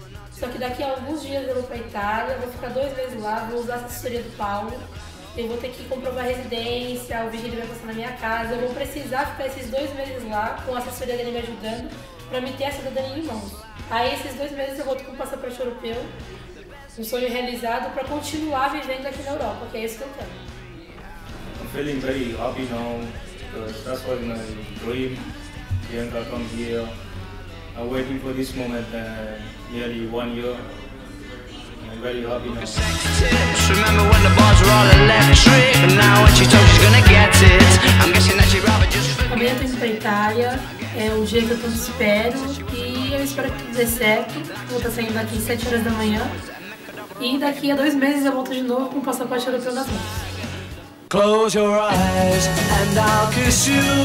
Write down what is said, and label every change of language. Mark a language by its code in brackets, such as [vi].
[pt] Só que daqui a alguns dias eu vou para a Itália, vou ficar 2 meses lá, vou usar a assessoria do Paulo, eu vou ter que comprovar a residência, o Virgílio vai passar na minha casa, eu vou precisar ficar esses 2 meses lá, com a assessoria dele me ajudando, para me ter a cidadania em mãos. Aí esses 2 meses eu volto com o passaporte europeu, um sonho realizado, para continuar vivendo aqui na Europa, que é isso que eu quero. Feliz aí, rapidão. [en] That's what my dream, Bianca, come here. I'm waiting for this moment nearly 1 year. I'm very happy now. Remember when the bars were all electric, and now when she told she's gonna get it. I'm guessing that she rather just. [pt] Amanhã eu tô indo pra Itália, é o dia que eu tô esperando, e eu espero que tudo dê certo. Vou estar saindo daqui 7 horas da manhã, e daqui a 2 meses eu volto de novo com o passaporte europeu na mão. [en] Close your eyes and I'll kiss you.